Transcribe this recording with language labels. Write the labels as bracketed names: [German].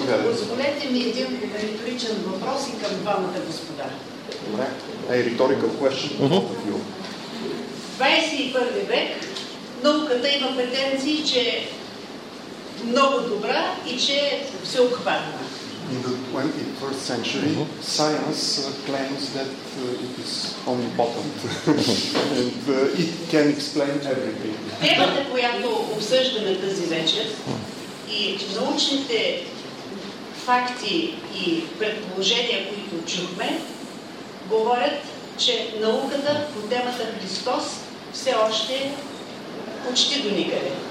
[Bulgarian] Позволете ми един риторичен въпрос и към двамата господа. Добре. Риторика question. 21 век, науката има претенции, че е много добра и че се обхватва. [English] In the 21st century, science claims that it is omnipotent and it can explain everything. [Bulgarian] Темата, която обсъждаме тази вечер, и научните факти и предположения, които чухме, говорят, че науката по темата Христос все още е почти до никъде.